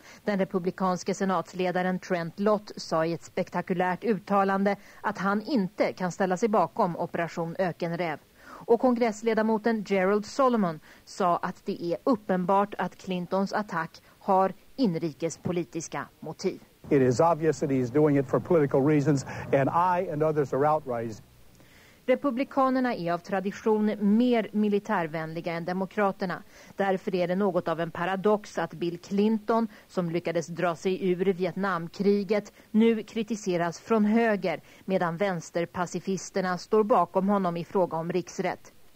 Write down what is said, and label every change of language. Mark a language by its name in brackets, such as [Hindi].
[Swedish] Den republikanske senatsledaren Trent Lott sa i ett spektakulärt uttalande att han inte kan ställa sig bakom operation Ökenräv. Och kongressledamoten Gerald Solomon sa att det är uppenbart att Clintons attack har inrikespolitiska motiv. [English] It is obvious that he's doing it for political reasons, and I and others are outraged. [Swedish] Republikanerna är av tradition mer militärvänliga än demokraterna. Därför är det något av en paradox att Bill Clinton, som lyckades dra sig ur Vietnamkriget, nu kritiseras från höger, medan vänsterpacifisterna står bakom honom i fråga om riksrätt.